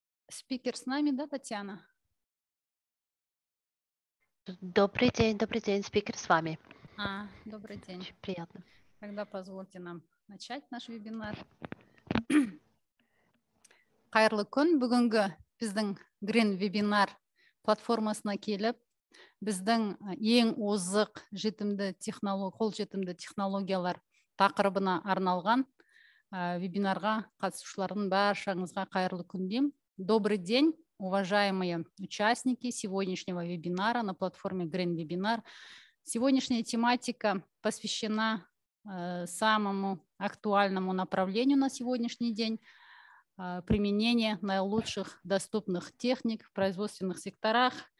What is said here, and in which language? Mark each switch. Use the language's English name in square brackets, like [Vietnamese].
[Russian] Спикер с нами, да, Татьяна? Добрый день, спикер с вами. А, добрый день. Очень приятно. Тогда позвольте нам начать наш вебинар. [Kazakh] Қайырлы күн, бүгінгі біздің Green вебинар платформасына келіп, біздің ең озық қолжетімді технологиялар тақырыбына арналған вебинарға қатысушылардың баршаңызға қайырлы күн деймін. [Russian] Добрый день, уважаемые участники сегодняшнего вебинара на платформе Green Webinar. Сегодняшняя тематика посвящена самому актуальному направлению на сегодняшний день – применение наилучших доступных техник в производственных секторах.